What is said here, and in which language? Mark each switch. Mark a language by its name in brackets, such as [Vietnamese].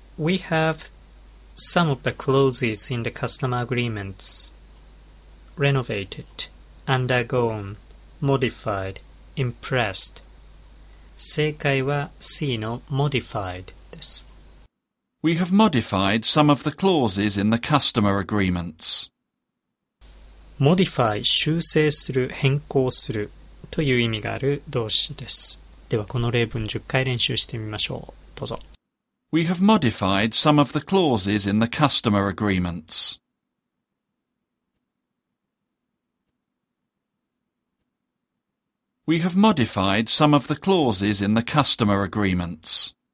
[English] We have some of the clauses in the customer agreements renovated, undergone, modified, impressed. [Japanese] 正解は C の modified です。 [English] We have modified some of the clauses in the customer agreements. [Japanese] Modify 修正する、変更するという意味がある動詞です。ではこの例文10回練習してみましょう。どうぞ。 [English] We have modified some of the clauses in the customer agreements. We have modified some of the clauses in the customer agreements.